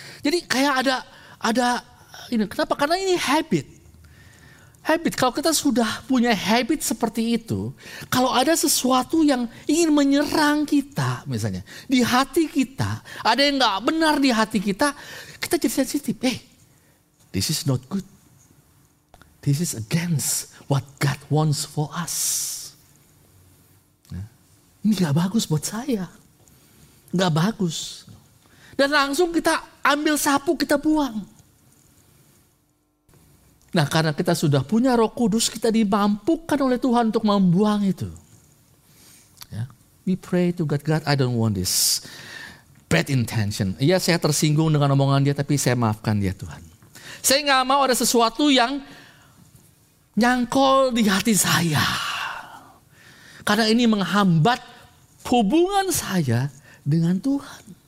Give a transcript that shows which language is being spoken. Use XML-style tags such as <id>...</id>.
<id>Jadi kayak ada ini, kenapa? Karena ini habit. Kalau kita sudah punya habit seperti itu, kalau ada sesuatu yang ingin menyerang kita, misalnya di hati kita, ada yang nggak benar di hati kita, kita jadi sensitif.</id> <en>This is not good. This is against what God wants for us.</en> <id>ini gak bagus buat saya. Gak bagus. Dan langsung kita ambil sapu, kita buang. Nah, karena kita sudah punya Roh Kudus, kita dimampukan oleh Tuhan untuk membuang itu. Yeah.</id> <en>We pray to God, God, I don't want this bad intention.</en> <id>Iya, saya tersinggung dengan omongan dia, tapi saya maafkan dia, Tuhan. Saya gak mau ada sesuatu yang nyangkol di hati saya. Karena ini menghambat hubungan saya dengan Tuhan.</id>